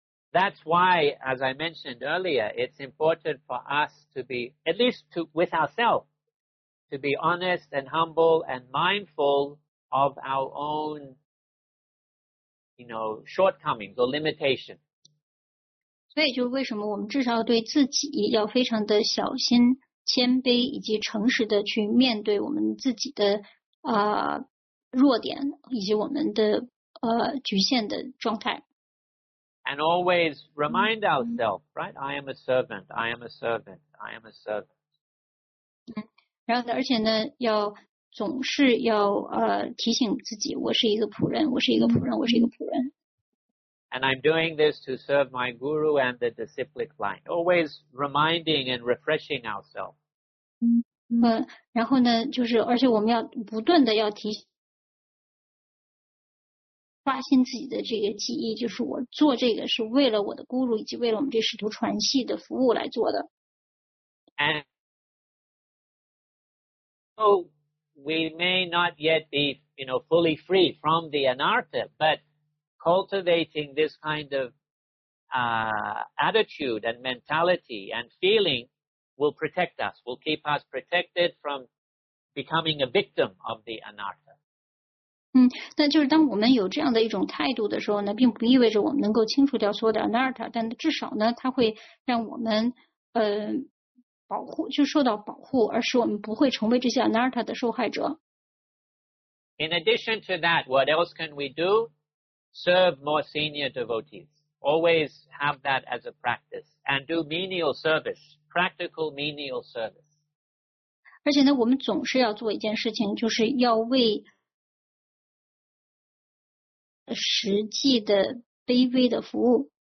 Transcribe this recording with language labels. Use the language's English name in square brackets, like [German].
[English] That's why, as I mentioned earlier, it's important for us to be, at least to, with ourselves, to be honest and humble and mindful of our own, you know, shortcomings or limitations. [Chinese] 所以就为什么我们至少对自己要非常的小心、谦卑以及诚实的去面对我们自己的弱点以及我们的局限的状态。 [English] And always remind ourselves, right? I am a servant. I am a servant. I am a servant. [Chinese] 然后呢，而且呢，要总是要提醒自己，我是一个仆人，我是一个仆人，我是一个仆人。 [English] And I'm doing this to serve my guru and the disciplic line. Always reminding and refreshing ourselves. [Chinese] 然后呢，就是而且我们要不断的要提醒。刷新自己的这个记忆，就是我做这个是为了我的guru以及为了我们这使徒传系的服务来做的。 [English] And so we may not yet be, you know, fully free from the anartha, but cultivating this kind of attitude and mentality and feeling will protect us, will keep us protected from becoming a victim of the anartha. [Chinese] 那就是当我们有这样的一种态度的时候呢，并不意味着我们能够清除掉所有的 anartha， 但至少呢，它会让我们保护，就受到保护，而使我们不会成为这些 anartha 的受害者。 [English] In addition to that, what else can we do? Serve more senior devotees. Always have that as a practice and do menial service, practical menial service. [Chinese] 而且呢，我们总是要做一件事情，就是要为实际的卑微的服务。